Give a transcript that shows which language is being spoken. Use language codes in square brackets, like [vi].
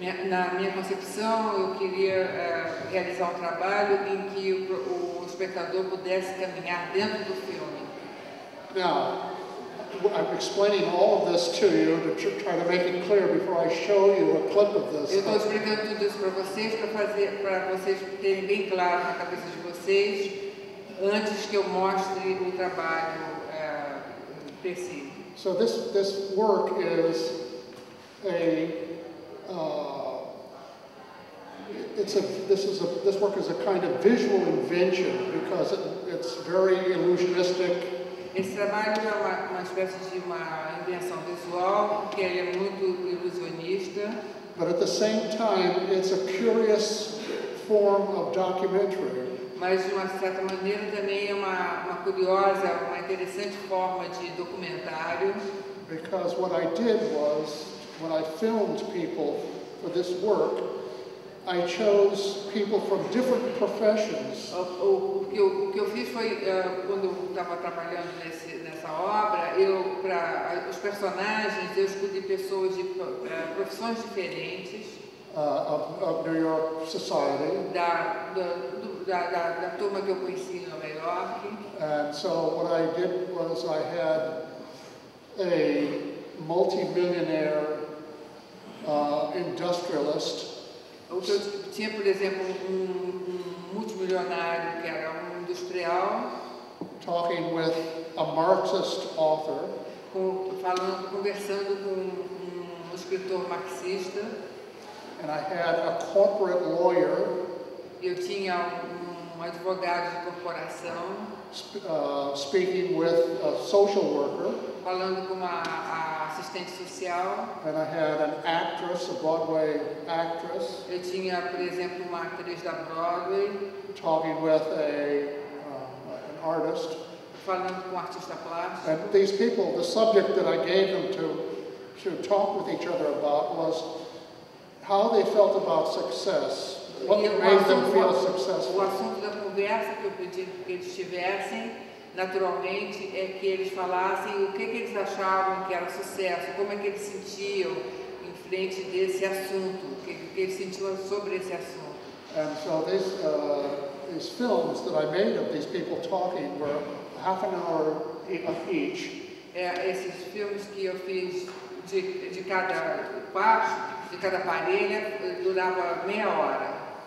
[pt] Na minha concepção, eu queria realizar um trabalho em que o espectador pudesse caminhar dentro do filme. [en] Now, I'm explaining all of this to you to try to make it clear before I show you a clip of this. [pt] Eu estou explicando tudo isso para vocês, para vocês terem bem claro na cabeça de vocês, antes que eu mostre o trabalho específico. [en] So this work is a... this work is a kind of visual invention because it's very illusionistic. [pt] Esse trabalho é uma espécie de uma invenção visual que é muito ilusionista. [en] But at the same time, it's a curious form of documentary. [pt] Mas de uma certa maneira também é uma curiosa, uma interessante forma de documentário. [en] Because what I did was, when I filmed people for this work, I chose people from different professions. [pt] O que eu fiz foi quando eu estava trabalhando nessa obra, eu para os personagens eu escolhi pessoas de profissões diferentes. [en] Of New York society. [pt] Da turma que eu conheci em Nova York. [en] And so what I did was I had a multi-millionaire industrialist. [pt] Eu tinha, por exemplo, multimilionário que era industrial. [en] Talking with a Marxist author. [pt] Conversando com um escritor marxista. [en] And I had a corporate lawyer. [pt] Eu tinha um advogado de corporação. [en] Speaking with a social worker. [pt] Falando com uma assistente social. [en] And I had an actress, a Broadway actress. [pt] Eu tinha, por exemplo, uma atriz da Broadway. [en] Talking with an artist. [pt] Falando com um artista plástico. [en] And these people, the subject that I gave them to talk with each other about was how they felt about success. What made them feel successful. [pt] O assunto da conversa que eu pedi que eles tivessem naturalmente, é que eles falassem o que, que eles achavam que era sucesso, como é que eles sentiam em frente desse assunto, o que, que eles sentiam sobre esse assunto. [en] And so these films that I made of these people talking were half an hour of each. [pt] É, esses filmes que eu fiz de cada parte, de cada parelha, durava meia hora.